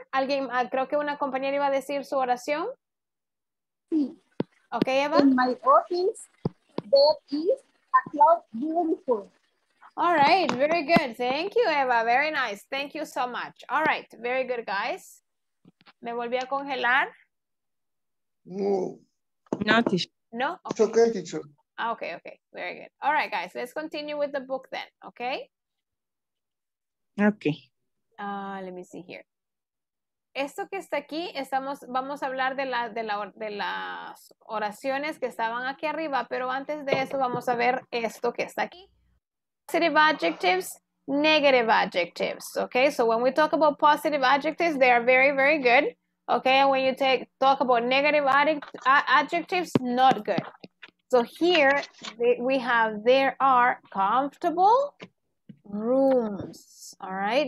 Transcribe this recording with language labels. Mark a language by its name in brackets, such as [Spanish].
[Spanish] Alguien, creo que una compañera iba a decir su oración. Sí. [English] Okay, Eva. In my office, there is a cloud beautiful. All right, very good. Thank you, Eva. Very nice. Thank you so much. All right, very good, guys. ¿Me volví a congelar? [Spanish] No. [English] No, teacher. No? Okay. It's okay, teacher. Okay, okay. Very good. All right, guys. Let's continue with the book then, okay? Okay. Let me see here. [Spanish] Esto que está aquí, vamos a hablar de las oraciones que estaban aquí arriba, pero antes de eso vamos a ver esto que está aquí. [English] Positive adjectives, negative adjectives, okay? So when we talk about positive adjectives, they are very, very good, okay? And when you talk about negative adjectives, not good. So here we have, there are comfortable rooms, all right?